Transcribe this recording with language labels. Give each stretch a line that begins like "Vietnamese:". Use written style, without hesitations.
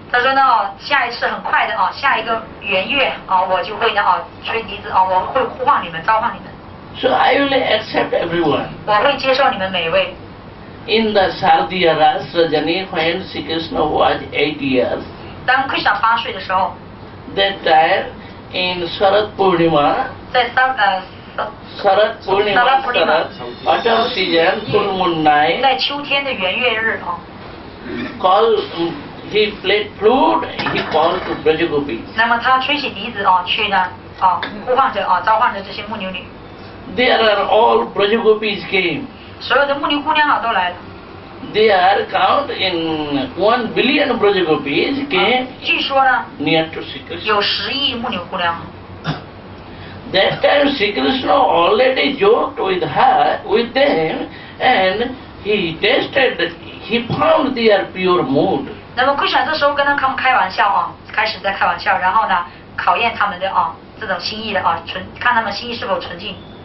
Chinese: 他说呢，下一次很快的下一个圆月我就会呢吹笛子我会呼唤你们，召唤你们。
English: So I will accept everyone.
Chinese: 我会接受你们每一位。
English: In the Sardiya Rasrajani, when Sri Krishna was 8 years,
Chinese: 当 Krishna 八岁的时候
English: ，that time in Sarat Purnima,
Chinese: 在
English: Sarat Purnima, autumn season, full moon night,
Chinese: 在秋天的圆月日
English: call. He played flute. He called to Braja Gopis.
Chinese: 那么他吹起笛子去呢呼唤着召唤着这些牧牛女。
English: There are all Braja Gopis came.
Chinese: 所有的牧牛姑娘都来了。
English: they are count in 1 billion Braja Gopis came
Chinese: 据说呢,
English: near to Sri Krishna.
Chinese: 有10亿牧牛姑娘.
English: That time Sri Krishna already joked with her, with them, and he tested, he found their pure mood.
Chinese: 那么Krishna这时候跟他们开玩笑，开始在开玩笑，然后呢，考验他们的这种心意的，看他们心意是否纯净。